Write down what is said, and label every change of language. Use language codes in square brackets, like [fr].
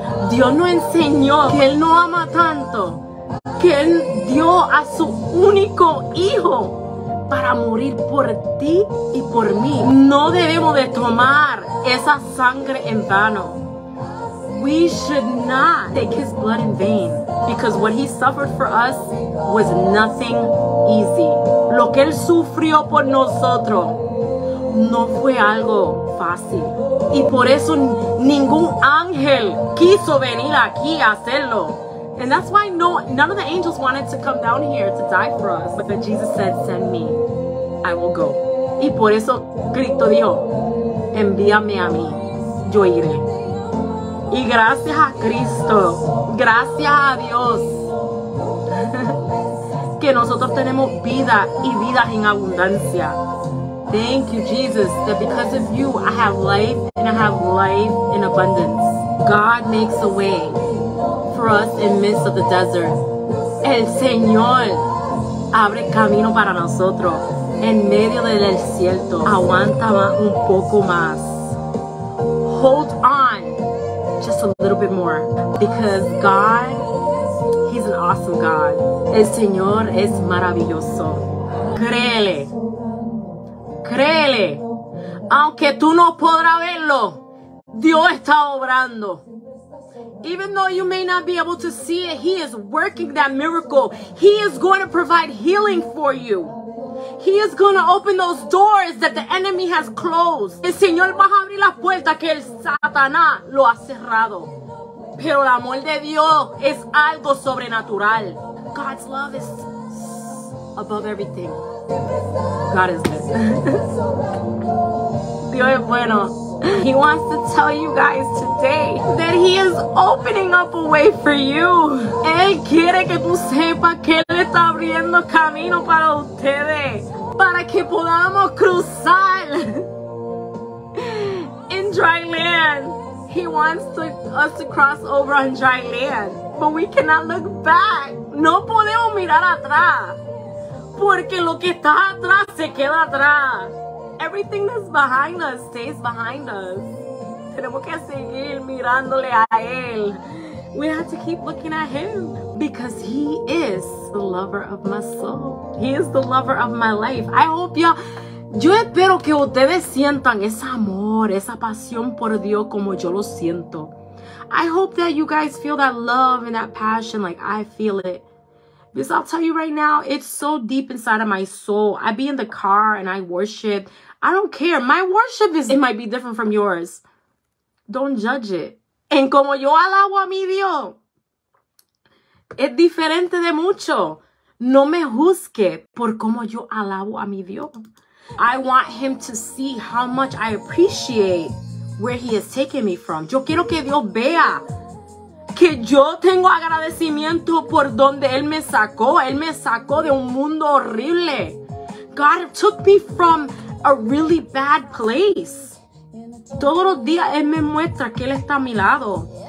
[es] Dios nos enseñó que él nos ama tanto, que él dio a su único hijo para morir por ti y por mí. No debemos de tomar esa sangre en vano. [en] We should not take his blood in vain, because what he suffered for us was nothing easy. [es] Lo que él sufrió por nosotros no fue algo fácil. Y por eso ningún ángel quiso venir aquí a hacerlo. [en] And that's why none of the angels wanted to come down here to die for us. But Jesus said, send me, I will go. [es] Y por eso Cristo dijo, envíame a mí, yo iré. Y gracias a Cristo, gracias a Dios, que nosotros tenemos vida y vida en abundancia. [en] Thank you, Jesus, that because of you, I have life and I have life in abundance. God makes a way for us in the midst of the desert. [es] El Señor abre camino para nosotros en medio del desierto. Aguanta un poco más. [en] Hold on just a little bit more, because God, he's an awesome God. [es] El Señor es maravilloso. Créele. Créele, aunque tú no podrás verlo, Dios está obrando. [en] Even though you may not be able to see it, he is working that miracle. He is going to provide healing for you. He is going to open those doors that the enemy has closed. [es] El Señor va a abrir las puertas que el Satanás lo ha cerrado. Pero el amor de Dios es algo sobrenatural. [en] God's love is above everything. God is good. [es] Dios es bueno. [en] He wants to tell you guys today that he is opening up a way for you. [es] Él quiere que tú sepas que él está abriendo camino para ustedes, para que podamos cruzar [en] in dry land. He wants us to cross over on dry land, but we cannot look back. [es] No podemos mirar atrás. Porque lo que está atrás se queda atrás. [en] Everything that's behind us stays behind us. [es] Tenemos que seguir mirándole a él. [en] We have to keep looking at him. Because he is the lover of my soul. He is the lover of my life. I hope y'all... [es] Yo espero que ustedes sientan ese amor, esa pasión por Dios como yo lo siento. [en] I hope that you guys feel that love and that passion like I feel it. Because I'll tell you right now, it's so deep inside of my soul. I be in the car and I worship. I don't care. My worship is, it might be different from yours. Don't judge it. [es] En como yo alabo a mi Dios, es diferente de mucho. No me juzgue por como yo alabo a mi Dios. [en] I want him to see how much I appreciate where he has taken me from. [es] Yo quiero que Dios vea que yo tengo agradecimiento por donde él me sacó. Él me sacó de un mundo horrible. [en] God took me from a really bad place. [es] Todos los días él me muestra que él está a mi lado.